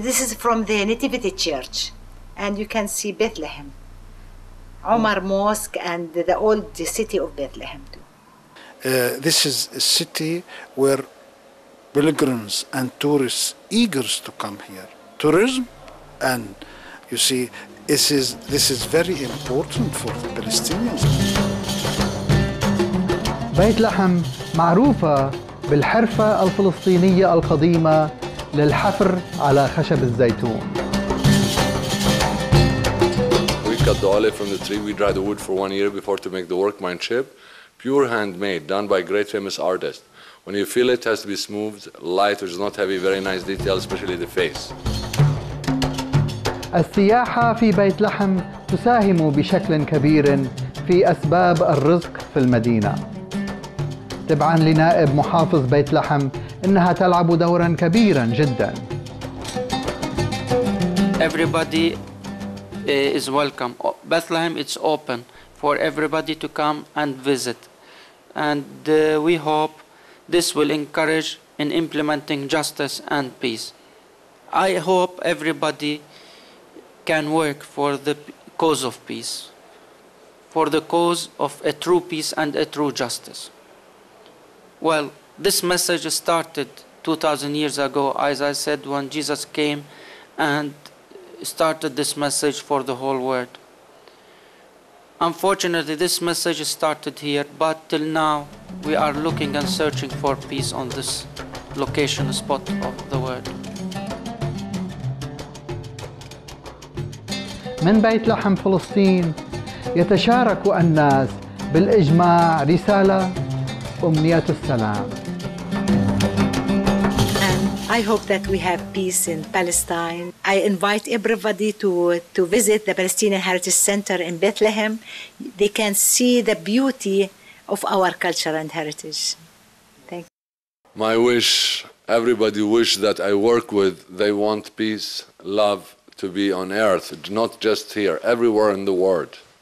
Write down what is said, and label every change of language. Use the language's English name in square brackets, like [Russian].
[English] This is from the Nativity Church. And you can see Bethlehem, Omar Mosque, and the old city of Bethlehem too. This is a city where pilgrims and tourists eager to come here. Tourism, and you see, this is very important for the Palestinians. [Arabic] بيت لحم معروفة بالحرفة الفلسطينية القديمة للحفر على خشب الزيتون. [English] We cut the olive from the tree. We dry the wood for 1 year before to make the workmanship. Pure handmade, done by great famous artist. When you feel it, it has to be smooth, light, which is not heavy, very nice detail, especially the face. [Arabic] السياحة في بيت لحم تساهم بشكل كبير في أسباب الرزق في المدينة. تبعا لنائب محافظ بيت لحم، إنها تلعب دورا كبيرا جدا. [English] Everybody is welcome. Bethlehem is open for everybody to come and visit. And we hope this will encourage in implementing justice and peace. I hope everybody can work for the cause of peace. for the cause of a true peace and a true justice. Well, this message started 2,000 years ago, as I said, when Jesus came and started this message for the whole world. Unfortunately, this message started here, but till now, we are looking and searching for peace on this location, spot of the world. [Arabic] من بيت لحم فلسطين يتشارك الناس بالإجماع رسالة أمنية السلام. [English] I hope that we have peace in Palestine. I invite everybody to visit the Palestinian Heritage Center in Bethlehem. They can see the beauty of our culture and heritage. Thank you. My wish, everybody wish that I work with, they want peace, love to be on earth, not just here, everywhere in the world.